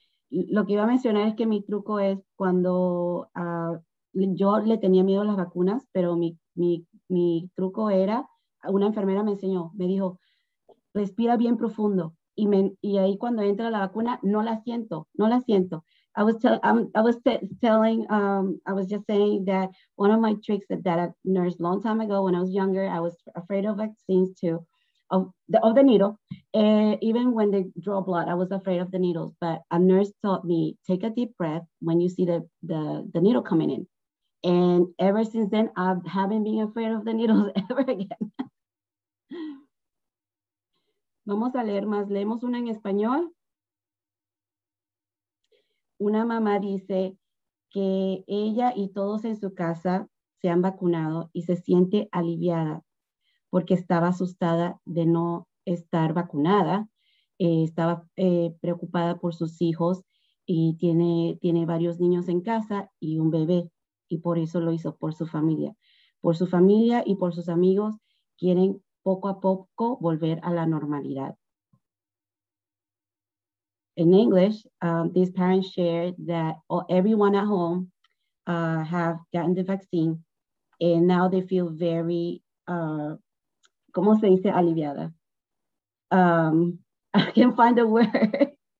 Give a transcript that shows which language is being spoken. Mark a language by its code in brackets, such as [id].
[es] Lo que iba a mencionar es que mi truco es cuando... Yo le tenía miedo a las vacunas, pero mi truco era, una enfermera me enseñó, me dijo, respira bien profundo. Y ahí cuando entra la vacuna, no la siento. [en] I was just saying that one of my tricks that a nurse long time ago when I was younger, I was afraid of vaccines too, of the needle. Even when they draw blood, I was afraid of the needles. But a nurse taught me, take a deep breath when you see the needle coming in. And ever since then, I haven't been afraid of the needles ever again. [es] Vamos a leer más. Leemos una en español. Una mamá dice que ella y todos en su casa se han vacunado y se siente aliviada porque estaba asustada de no estar vacunada. Estaba preocupada por sus hijos y tiene varios niños en casa y un bebé. Y por eso lo hizo, por su familia. Por su familia y por sus amigos, quieren poco a poco volver a la normalidad. [en] In English, these parents shared that everyone at home have gotten the vaccine, and now they feel very, [es] ¿cómo se dice? [en] Aliviada. I can't find the word.